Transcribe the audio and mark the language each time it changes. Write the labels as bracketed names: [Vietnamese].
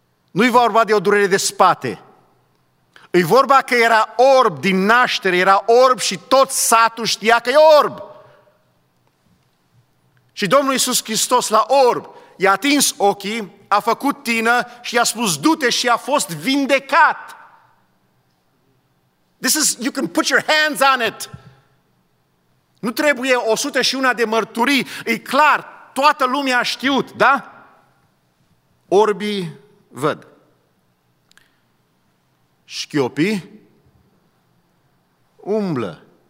[Romanian] Nu-i vorba de o durere de spate. E vorba că era orb din naștere, era orb și tot satul știa că e orb. Și Domnul Iisus Hristos la orb i-a atins ochii, a făcut tină și i-a spus du-te și a fost vindecat. [English] This is, you can put your hands on it. [Romanian] Nu trebuie 101 de mărturii, e clar, toată lumea a știut, da? Orbii văd. Șchiopii umblă.